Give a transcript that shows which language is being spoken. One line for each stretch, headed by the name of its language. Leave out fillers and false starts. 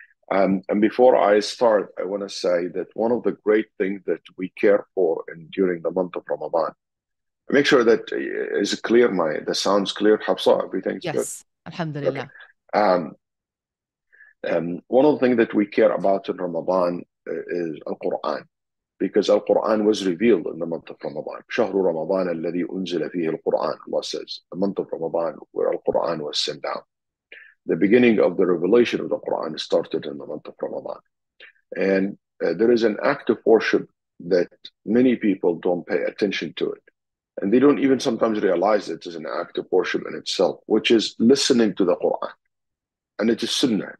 English: And before I start, I want to say that one of the great things that we care for in during the month of Ramadan, make sure that is it clear. The sound's clear. Hafsa, everything's yes, good. Yes, alhamdulillah. Okay. One of the things that we care about in Ramadan is Al Quran, because Al Quran was revealed in the month of Ramadan.
Arabic: شهر رمضان الذي أنزل فيه القرآن.
English: Allah says the month of Ramadan where Al Quran was sent down. The beginning of the revelation of the Quran started in the month of Ramadan, and there is an act of worship that many people don't pay attention to it. And they don't even sometimes realize it is an act of worship in itself, which is listening to the Quran. And it is sunnah.